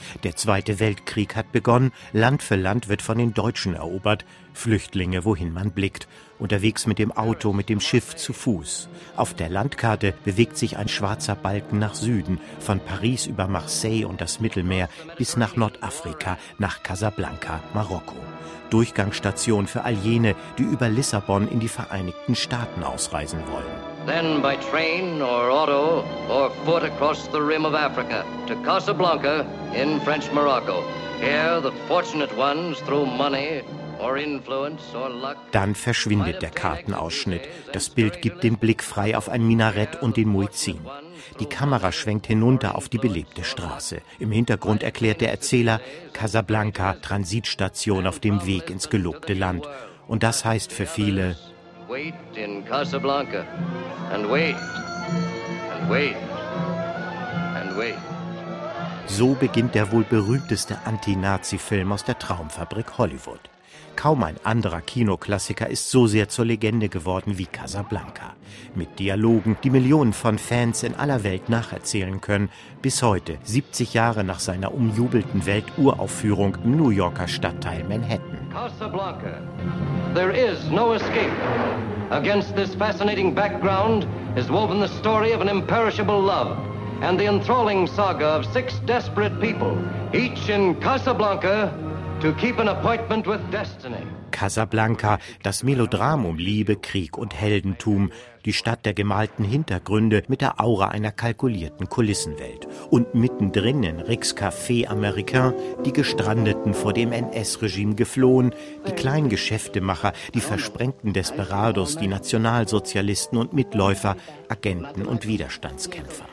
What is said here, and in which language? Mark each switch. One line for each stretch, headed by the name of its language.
German: Der Zweite Weltkrieg hat begonnen, Land für Land wird von den Deutschen erobert, Flüchtlinge, wohin man blickt, unterwegs mit dem Auto, mit dem Schiff, zu Fuß. Auf der Landkarte bewegt sich ein schwarzer Balken nach Süden, von Paris über Marseille und das Mittelmeer bis nach Nordafrika, nach Casablanca, Marokko. Durchgangsstation für all jene, die über Lissabon in die Vereinigten Staaten ausreisen wollen.
English: Then by train or auto or foot across the rim of Africa to Casablanca in French Morocco. Here the fortunate ones through money or influence or luck.
German: Dann verschwindet der Kartenausschnitt. Das Bild gibt den Blick frei auf ein Minarett und den Muezzin. Die Kamera schwenkt hinunter auf die belebte Straße. Im Hintergrund erklärt der Erzähler Casablanca, Transitstation auf dem Weg ins gelobte Land. Und das heißt für viele:
English: Wait in Casablanca and wait and wait and wait.
German: So beginnt der wohl berühmteste Anti-Nazi-Film aus der Traumfabrik Hollywood. Kaum ein anderer Kinoklassiker ist so sehr zur Legende geworden wie Casablanca. Mit Dialogen, die Millionen von Fans in aller Welt nacherzählen können, bis heute, 70 Jahre nach seiner umjubelten Welturaufführung im New Yorker Stadtteil Manhattan.
English: Casablanca, there is no escape. Against this fascinating background is woven the story of an imperishable love and the enthralling saga of six desperate people, each in Casablanca, to keep an appointment with destiny.
German: Casablanca, das Melodram um Liebe, Krieg und Heldentum, die Stadt der gemalten Hintergründe mit der Aura einer kalkulierten Kulissenwelt. Und mittendrin in Ricks Café Américain die Gestrandeten vor dem NS-Regime geflohen, die kleinen Geschäftemacher, die versprengten Desperados, die Nationalsozialisten und Mitläufer, Agenten und Widerstandskämpfer.